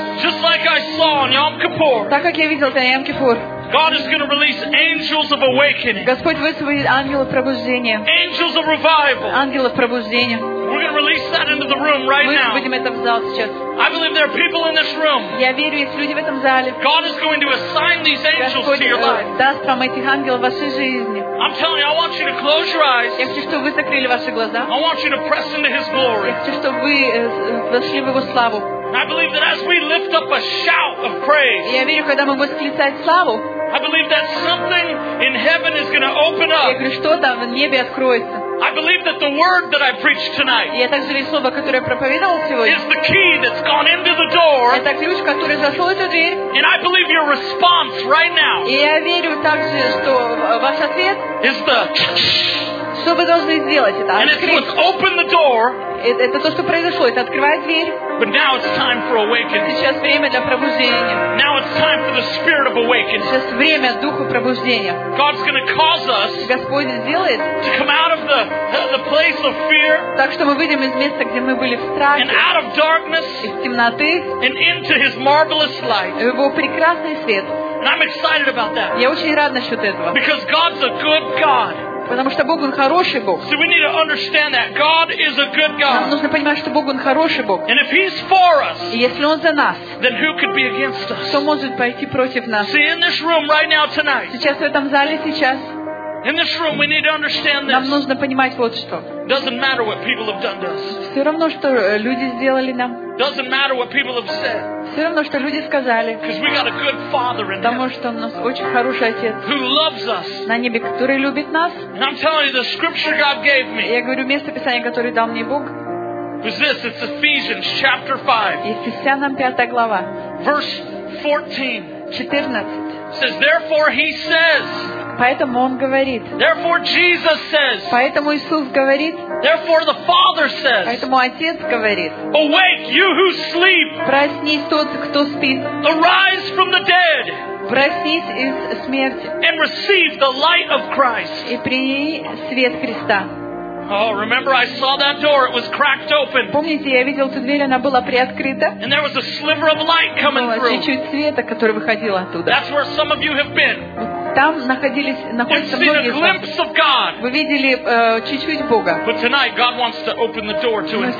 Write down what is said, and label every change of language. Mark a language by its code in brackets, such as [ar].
[ru] как я видел это на Йом-Кипур. [en] God is going to release angels of awakening. [ru] Господь высвободит ангелов пробуждения. [en] Angels of revival. [ru] Ангелов пробуждения. [en] We're going to release that into the room right now. [ru] Мы выведем это в зал сейчас. [en] I believe there are people in this room. [ru] Я верю, есть люди в этом зале. [en] God is going to assign these angels to your life. [ru] Даст вам этих ангелов в вашей жизни. [en] I'm telling you, I want you to close your eyes. [ru] Я хочу, чтобы вы закрыли ваши глаза. [en] I want you to press into His glory. [ru] Я хочу, чтобы вы вошли в Его славу. [en] I believe that as we lift up a shout of praise. [ru] Я верю, когда мы будем восклицать славу. [en] I believe that something in heaven is going to open up. [ru] Я верю, что-то в небе откроется. [en] I believe that the word that I preached tonight. [ru] Я также верю, слово, которое я проповедовал сегодня. [en] Is the key that's gone into the door. [ru] Это ключ, который зашел в эту дверь. [en] And I believe your response right now. [ru] Я верю также, что ваш ответ. [en] Is the. [ru] Что вы должны сделать это? [en] And it's what's opened the door. [ru] Это то, что произошло. Это открывает дверь. [en] But now it's time for awakening. [ru] Сейчас время для пробуждения. [en] Now it's time for the spirit of awakening. [ru] Сейчас время духа пробуждения. [en] God's going to cause us. [ru] Господь сделает. [en] To come out of the place of fear. [ru] Так что мы выйдем из места, где мы были в страхе. [en] And out of darkness. [ru] Из темноты. [en] And into His marvelous light. [ru] В Его прекрасный свет. [en] And I'm excited about that. [ru] Я очень рад насчет этого. [en] Because God's a good God. [ru] Потому что Бог, Он хороший Бог. [en] So we need to understand that God is a good God. [ru] Нам нужно понимать, что Бог, Он хороший Бог. [en] And if He's for us, [ru] и если Он за нас, [en] then who could be against us? [ru] Кто может пойти против нас? [en] See, in this room right now tonight, [ru] сейчас в этом зале сейчас, [en] in this room we need to understand this. [ru] Нам нужно понимать вот что. [en] Doesn't matter what people have done to us. [ru] Все равно, что люди сделали нам. [en] Doesn't matter what people have said. [ru] Все равно, что люди сказали. [en] Because we got a good Father in heaven. [ru] Потому что у нас очень хороший отец. [en] Who loves us? [ru] На небе, который любит нас. [en] And I'm telling you, the scripture God gave me. [ru] Я говорю место Писания, которое дал мне Бог. [en] Is this? It's Ephesians chapter 5. [ru] Ефесянам 5 глава. [en] Verse 14. [ru] 14. [en] Says therefore He says. [ru] Поэтому Он говорит. [en] Therefore Jesus says. [ru] Поэтому Иисус говорит. [en] Therefore the Father says. [ru] Поэтому Отец говорит. [en] Awake, you who sleep. [ru] Проснись, тот, кто спит. [en] Arise from the dead. [ru] Проснись из смерти. [en] And receive the light of Christ. [ru] И прими свет Христа. [en] Oh, remember I saw that door, it was cracked open. [ru] Помните, я видел эту дверь, она была приоткрыта. [en] And there was a sliver of light coming through. [ru] Было чуть-чуть света, который выходил оттуда. [en] That's where some of you have been. [ru] Там находились, находятся [en] You've seen [ru] многие [en] a glimpse of God. [ru] Вы видели чуть-чуть Бога. [en] But tonight God wants to open the door to encounter.